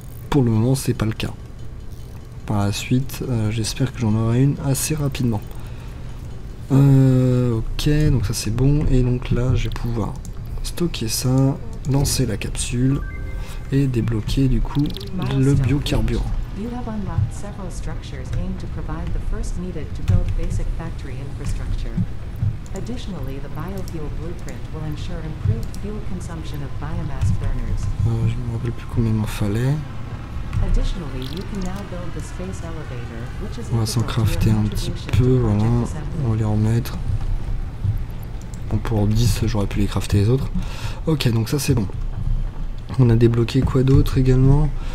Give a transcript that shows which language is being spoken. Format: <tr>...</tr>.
<fr>Pour le moment c'est pas le cas. Par la suite j'espère que j'en aurai une assez rapidement. Ok, donc ça c'est bon. Et donc là, je vais pouvoir stocker ça, lancer la capsule et débloquer du coup le biocarburant.</fr> <en>You have unlocked several structures aimed to provide the first needed to build basic factory infrastructure. Additionally, the biofuel blueprint will ensure improved fuel consumption of biomass burners.</en> <fr>Je me rappelle plus combien il m'en fallait.</fr> <en>Additionally, you can now build the space elevator, which is</en> <fr>on va s'en crafter un petit peu, voilà. On va les remettre. Bon, pour 10, j'aurais pu les crafter les autres. Ok, donc ça c'est bon. On a débloqué quoi d'autre également?</fr>